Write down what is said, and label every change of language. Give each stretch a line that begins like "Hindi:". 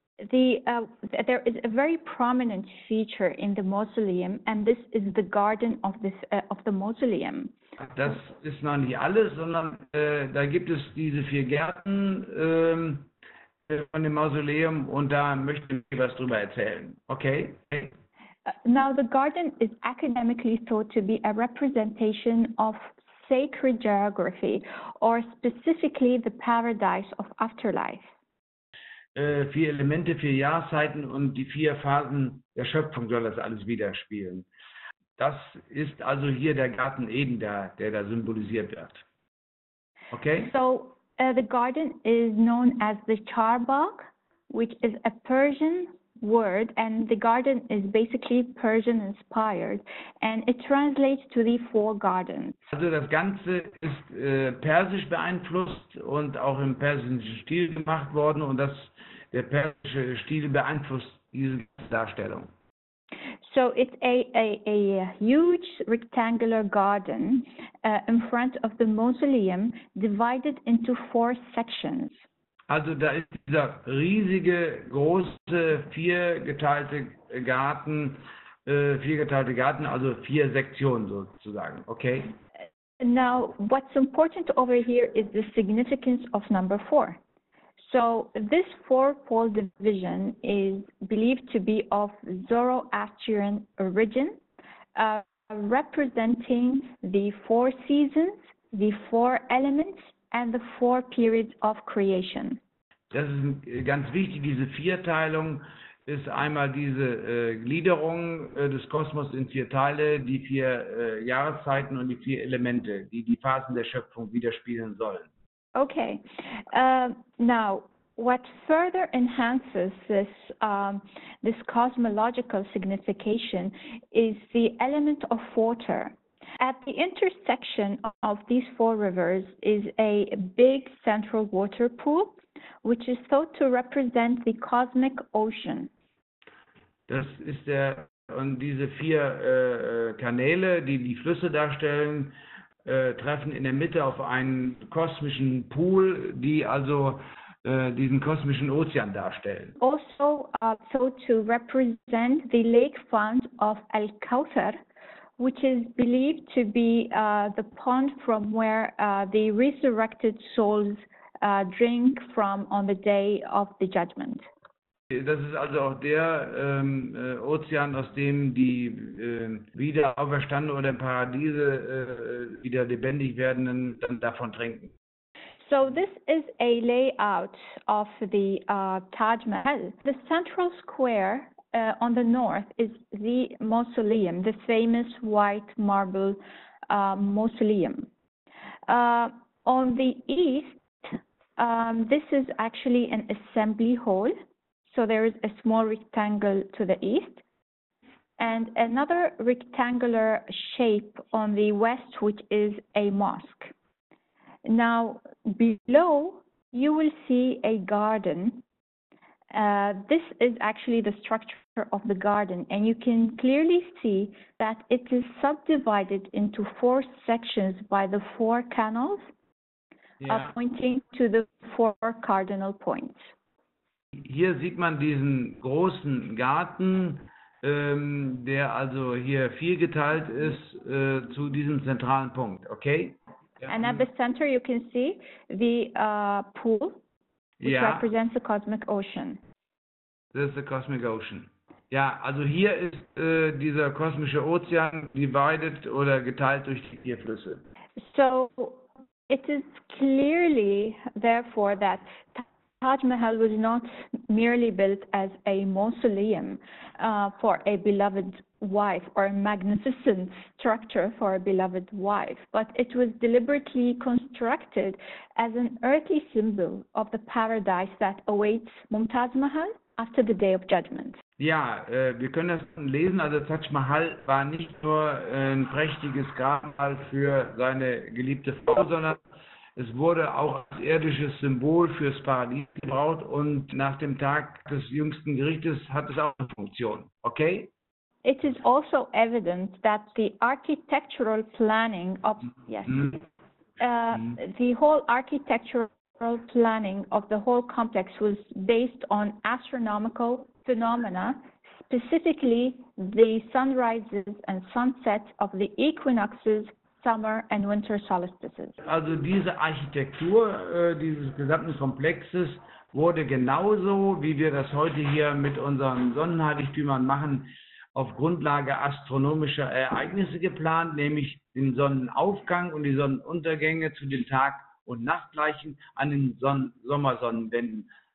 English: There is a very prominent feature in the mausoleum, and this is the garden of the mausoleum.
German: Das ist noch nicht alles, sondern da gibt es diese vier Gärten von dem Mausoleum, und da möchte ich was drüber erzählen. Okay.
English: Now, the garden is academically thought to be a representation of sacred geography, or specifically the paradise of afterlife.
German: Vier Elemente, vier Jahreszeiten und die vier Phasen der Schöpfung soll das alles widerspiegeln. Das ist also hier der Garten Eden, der da symbolisiert wird. Okay?
English: So, the garden is known as the Charbagh, which is a Persian word, and the garden is basically Persian inspired, and it translates to the four gardens.
German: Also das Ganze ist persisch beeinflusst und auch im persischen Stil gemacht worden, und das der persische Stil beeinflusst diese Darstellung.
English: So it's a huge rectangular garden in front of the mausoleum, divided into four sections.
German: Also da ist dieser riesige, große, viergeteilte Garten, also vier Sektionen sozusagen, okay?
English: Now, what's important over here is the significance of number four. So, this four-pole division is believed to be of Zoroastrian origin, representing the four seasons, the four elements, and the four periods of creation.
German: Das ist ganz wichtig, diese Vierteilung ist einmal diese Gliederung des Kosmos in vier Teile, die vier Jahreszeiten und die vier Elemente, die Phasen der Schöpfung widerspiegeln sollen.
English: Okay, now, what further enhances this, this cosmological signification is the element of water. At the intersection of these four rivers is a big central water pool, which is thought to represent the cosmic ocean.
German: Das ist der, und diese vier Kanäle, die Flüsse darstellen, treffen in der Mitte auf einen kosmischen Pool, die also diesen kosmischen Ozean darstellen.
English: Also thought to represent the lake fount of Al-Kawthar, which is believed to be the pond from where the resurrected souls drink from on the day of the judgment.
German: Das ist also auch der Ozean, aus dem die wieder auferstandenen oder im Paradiese wieder lebendig werdenden dann davon trinken.
English: So this is a layout of the Taj Mahal. The central square on the north is the mausoleum, the famous white marble mausoleum. On the east, this is actually an assembly hall. So there is a small rectangle to the east and another rectangular shape on the west, which is a mosque. Now, below, you will see a garden. This is actually the structure of the garden, and you can clearly see that it is subdivided into four sections by the four canals, yeah, pointing to the four cardinal points.
German: Hier sieht man diesen großen Garten, der also hier viergeteilt ist, zu diesem zentralen Punkt, okay?
English: And at the center, you can see the pool, which ja, represents the cosmic ocean. This is the cosmic ocean.
German: Ja, also hier ist dieser kosmische Ozean divided oder geteilt durch die vier Flüsse.
English: So it is clearly, therefore, that Taj Mahal was not merely built as a mausoleum for a beloved wife or a magnificent structure for a beloved wife, but it was deliberately constructed as an earthly symbol of the paradise that awaits Mumtaz Mahal after the Day of Judgment.
German: Ja, wir können das lesen. Also Taj Mahal war nicht nur ein prächtiges Grabmal für seine geliebte Frau, sondern es wurde auch als irdisches Symbol fürs Paradies gebaut und nach dem Tag des jüngsten Gerichtes hat es auch eine Funktion. Okay?
English: It is also evident that the architectural planning of the whole architectural planning of the whole complex was based on astronomical phenomena, specifically the sunrises and sunsets of the equinoxes, summer and winter solstices.
German: Also diese Architektur dieses gesamten Komplexes wurde genauso, wie wir das heute hier mit unseren Sonnenheiligtümern machen, auf Grundlage astronomischer Ereignisse geplant, nämlich den Sonnenaufgang und die Sonnenuntergänge zu den Tag- und Nachtgleichen an den Sommersonnenwenden.